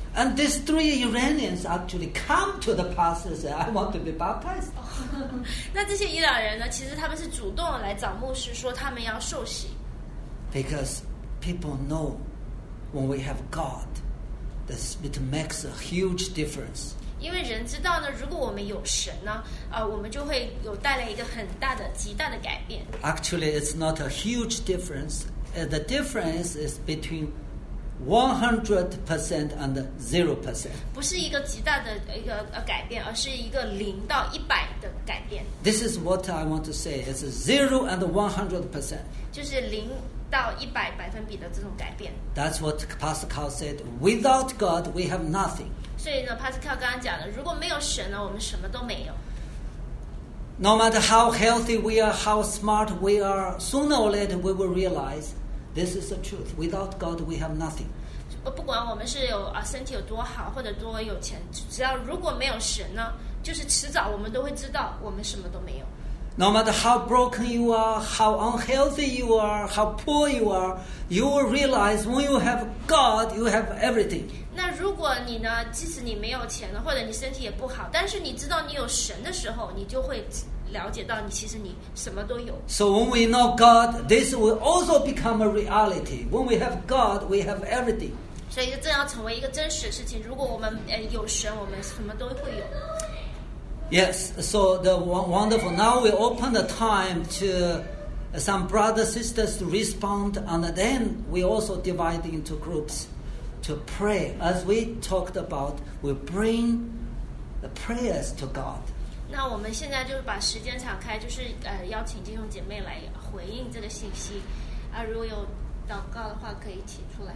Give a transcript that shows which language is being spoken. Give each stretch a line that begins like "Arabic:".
English: And these 3 Iranians actually come to the pastor and say, "I want to be baptized."
Chinese: 那这些伊朗人呢？其实他们是主动来找牧师说他们要受洗。
English: Because people know when we have God, it makes a huge difference.
Chinese: 因为人知道呢，如果我们有神呢，我们就会有带来一个很大的、极大的改变。
English: Actually, it's not a huge difference. The difference is between 100% and 0%.
Chinese: 不是一个极大的一个改变，而是一个零到一百的改变。
English: This is what I want to say. It's 0 and 100%.
Chinese: 就是零到一百百分比的这种改变。
English: That's what Pastor Carl said. Without God, we have nothing.
Chinese: 所以呢 ，Pastor Carl 刚刚讲的，如果没有神呢，我们什么都没有。
English: No matter how healthy we are, how smart we are, sooner or later we will realize. This is the truth. Without God, we have nothing.
Chinese: 不管我们是有身体有多好或者多有钱，只要如果没有神呢，就是迟早我们都会知道我们什么都没有。
English: No matter how broken you are, how unhealthy you are, how poor you are, you will realize when you have God, you have everything.
Chinese: 那如果你呢，即使你没有钱了，或者你身体也不好，但是你知道你有神的时候，你就会。了解到你其实你什么都有。
English: So when we know God, this will also become a reality. When we have God, we have everything.
Chinese: 所以这要成为一个真实的事情。如果我们有神，我们什么都会有。
English: Yes. So the wonderful. Now we open the time to some brothers sisters to respond, and then we also divide into groups to pray. As we talked about, we bring the prayers to God.
Chinese: 那我们现在就是把时间敞开，就是邀请弟兄姐妹来回应这个信息，如果有祷告的话，可以提出来。